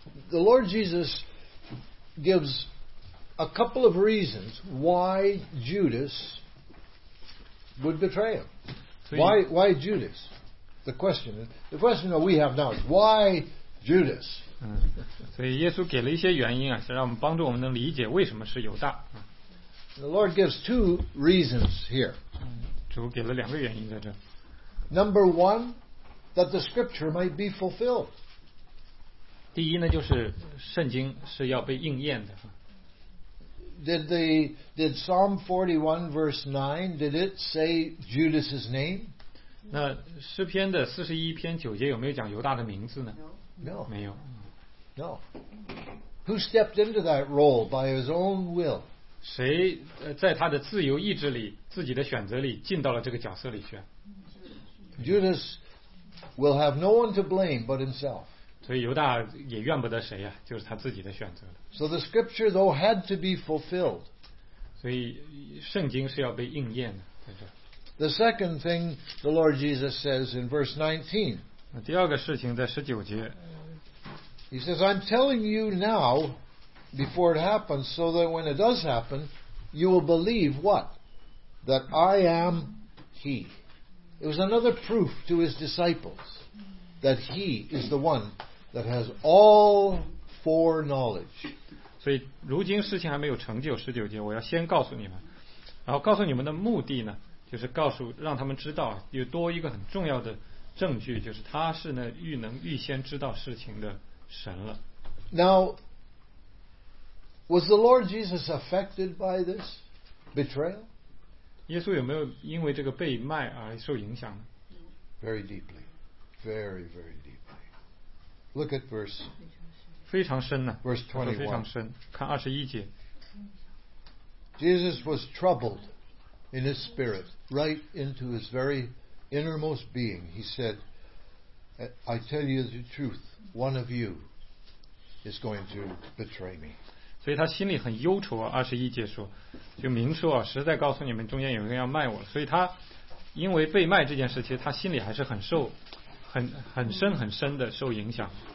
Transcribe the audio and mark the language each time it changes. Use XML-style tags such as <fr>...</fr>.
<en>The Lord Jesus gives a couple of reasons why Judas would betray him. Why Judas? The question. The question that we have now is why Judas?</en> <zh>所以耶稣给了一些原因啊，是让我们帮助我们能理解为什么是犹大。</zh> <en>The Lord gives two reasons here.</en> <zh>主给了两个原因在这。</zh> <en>Number one. That the scripture might be fulfilled.</en> <zh>第一呢，就是圣经是要被应验的。</zh> <en>Did Psalm 41 verse 9, did it say Judas's name?</en> <zh>那诗篇的四十一篇九节有没有讲犹大的名字呢？</zh> <en>No.</en> <zh>没有。</zh> <en>No. Who stepped into that role by his own will?</en> <zh>谁在他的自由意志里，自己的选择里，进到了这个角色里去？</zh> <en>Judas. Will have no one to blame but himself.</en> <zh>所以犹大也怨不得谁啊，就是他自己的选择。</zh> <en>So the scripture though had to be fulfilled.</en> <zh>所以圣经是要被应验的。</zh> <en>The second thing the Lord Jesus says in verse 19.</en> <zh>第二个事情在十九节。</zh> <en>He says, I'm telling you now before it happens so that when it does happen, you will believe what? That I am he. It was another proof to his disciples that he is the one that has all foreknowledge.</en> <zh>所以如今事情还没有成就，十九节我要先告诉你们，然后告诉你们的目的呢，就是告诉让他们知道有多一个很重要的证据，就是他是那预能预先知道事情的神了。</zh> <en>Now, was the Lord Jesus affected by this betrayal?</en> <zh>耶稣有没有因为这个被卖而受影响呢？</zh> <en>Very deeply, very, very deeply. Look at verse.</en> <zh>非常深呢。</zh> <en>Verse 21.</en> <zh>非常深，看二十一节。</zh> <en>Jesus was troubled in his spirit, right into his very innermost being. He said, "I tell you the truth, one of you is going to betray me."</en> <zh>所以他心里很忧愁啊。二十一节说。就明说啊，实在告诉你们，中间有人要卖我，所以他因为被卖这件事，其实他心里还是很受，很深很深的受影响。</zh>